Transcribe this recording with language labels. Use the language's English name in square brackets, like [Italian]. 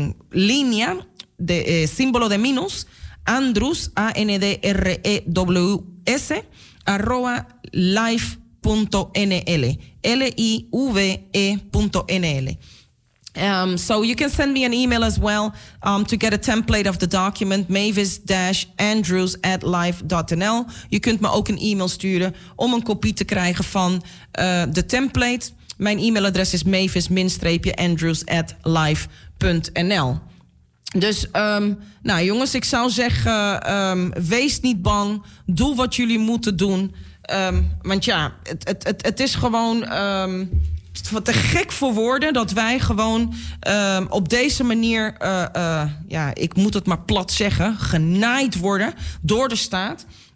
[English] Línea de símbolo de minus Andrews ANDREWS @life.nl LIVE.NL. So you can send me an email as well to get a template of the document, mavis-andrews@life.nl. [Dutch] Je kunt me ook een e-mail sturen om een kopie te krijgen van de template. Mijn e-mailadres is mavis-andrews@life.nl. Dus, nou jongens, ik zou zeggen, wees niet bang. Doe wat jullie moeten doen. Want ja, het is gewoon te gek voor woorden dat wij gewoon op deze manier, ja, ik moet het maar plat zeggen, genaaid worden door de staat.